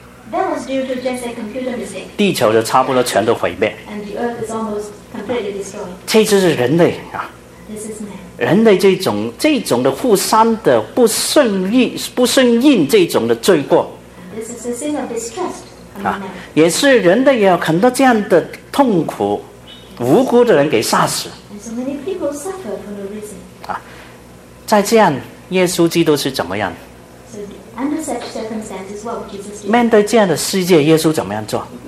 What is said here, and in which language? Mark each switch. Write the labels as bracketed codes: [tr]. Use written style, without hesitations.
[en] That was due to just a computer mistake. [zh] 地球就差不多全都毁灭 [en] And the earth is almost completely destroyed. [zh] 这就是人类 [en] This is man. [zh] 人类这种的互相的不顺应这种的罪过 [en] This is a sin of distrust among man. [zh] 也是人类也有很多这样的痛苦无辜的人给杀死 [en] And so many people suffer for no reason. [zh] 在这样耶稣基督是怎么样 [en] Under such circumstances, what would Jesus do? [zh] 面对这样的世界耶稣怎么样做